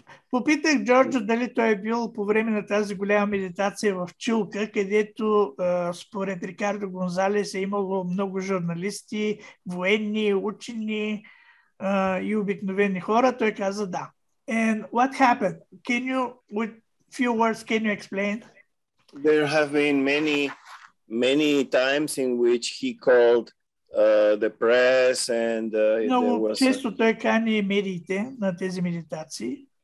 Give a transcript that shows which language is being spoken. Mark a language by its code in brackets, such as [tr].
[bg] Попитах Джорджо дали той е бил по време на тази голяма медитация в Чулка, където според Рикардо Гонзалес е имало много журналисти, военни, учени и обикновени хора. Той каза да. [en] And what happened? Can you, with few words, can you explain? There have been many, many times in which he called the press and [bg] много често той кани медиите на тези медитации.